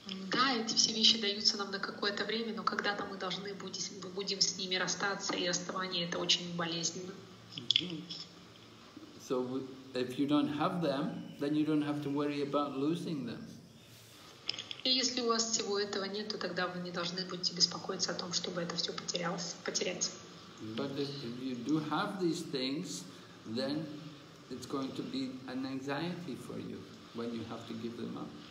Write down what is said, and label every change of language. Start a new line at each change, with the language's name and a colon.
Russian: Да, эти все вещи даются нам на какое-то время, но когда-то мы должны будем с ними расстаться, и расставание это очень болезненно.
English: So if you don't have them, then you don't have to worry about losing them.
Russian: И если у вас всего этого нет, то тогда вы не должны будете беспокоиться о том, чтобы это все потерять.
English: But if you do have these things, then it's going to be an anxiety for you when you have to give them up.